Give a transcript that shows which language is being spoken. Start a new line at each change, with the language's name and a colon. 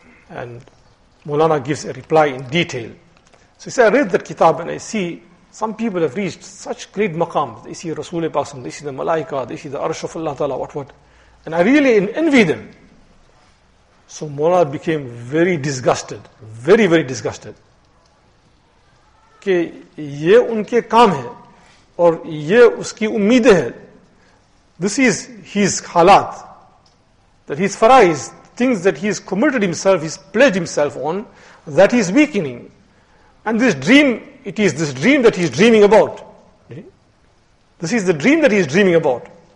English: And Mulana gives a reply in detail. So he says, I read that kitab and I see some people have reached such great maqam. They see Rasulullah, they see the Malaika, they see the Arsh of Allah Ta'ala, what. And I really envy them. So Mulana became very disgusted, very, very disgusted.
Urdu: کہ یہ ان کے کام ہے اور یہ اس کی امید ہے.
English: This is his halat, that his farais, things that he has committed himself, he's pledged himself on, that he's weakening. And this dream, it is this dream that he's dreaming about. This is the dream that he's dreaming about.